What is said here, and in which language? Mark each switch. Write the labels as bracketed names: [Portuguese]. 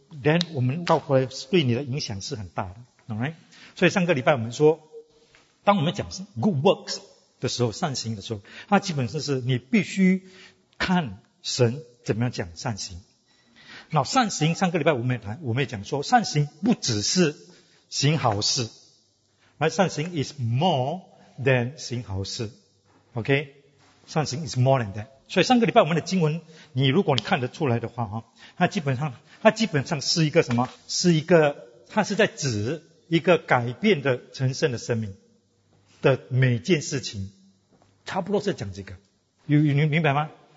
[English] Then, [Chinese] 我们倒过来对你的影响是很大的。Alright, 所以上个礼拜我们说当我们讲 [English] good works [Chinese] 的时候，善行的时候，它基本上是你必须看神怎么样讲善行。那善行上个礼拜我们也讲说善行不只是行好事。善行 [English] is more than [Chinese] 行好事。 OK? [English] 善行 is more than that. [Chinese] 所以上个礼拜我们的经文你如果你看得出来的话，它基本上是一个什么，是一个它是在指一个改变的成圣的生命的每件事情。差不多是讲这个。你明白吗？